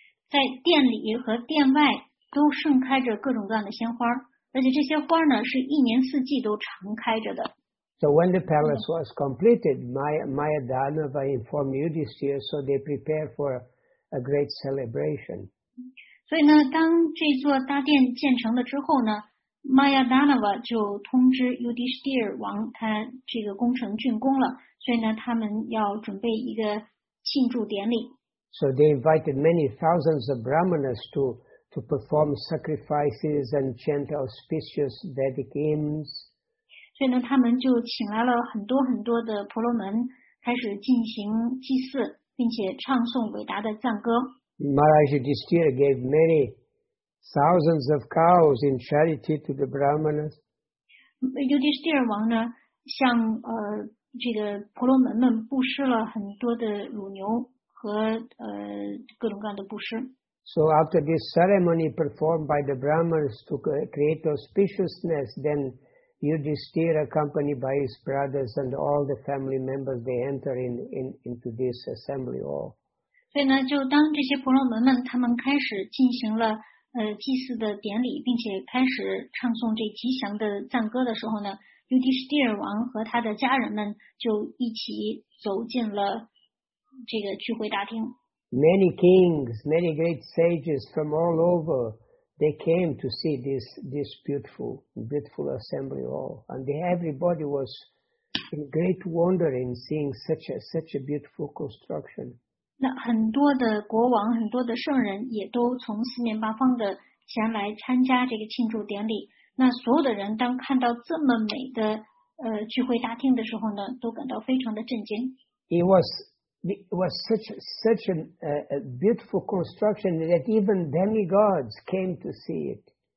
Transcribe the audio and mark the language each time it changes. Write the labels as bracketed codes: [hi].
[zh] 在殿里和殿外都盛开着各种各样的鲜花，而且这些花呢是一年四季都常开着的。 [en] So when the palace was completed, Maya Dhanava informed Yudhisthira, so they prepared for a great celebration. [zh] 所以呢，当这座大殿建成了之后呢 ，Maya Dhanava 就通知 Yudhisthira 王，他这个工程竣工了，所以呢，他们要准备一个庆祝典礼。 [en] So they invited many thousands of brahmanas to perform sacrifices and chant auspicious Vedic hymns. [zh] 所以呢，他们就请来了很多很多的婆罗门，开始进行祭祀，并且唱诵伟达的赞歌。 [en] Maharaj Yudhisthira gave many thousands of cows in charity to the brahmanas. [zh] Yudhisthira 王呢，向这个婆罗门们布施了很多的乳牛和各种各样的布施。 [en] So after this ceremony performed by the Brahmins to create auspiciousness, then Yudhisthira accompanied by his brothers and all the family members, they enter into this assembly hall. [zh] 所以呢，就当这些婆罗门们他们开始进行了祭祀的典礼，并且开始唱诵这吉祥的赞歌的时候呢，尤迪士蒂尔王和他的家人们就一起走进了这个聚会大厅。 [en] Many kings, many great sages from all over, they came to see this beautiful assembly hall, and everybody was in great wonder in seeing such a beautiful construction. [zh] 那很多的国王，很多的圣人也都从四面八方的前来参加这个庆祝典礼。那所有的人当看到这么美的聚会大厅的时候呢，都感到非常的震惊。 [en] It was such a beautiful construction that even demigods came to see it.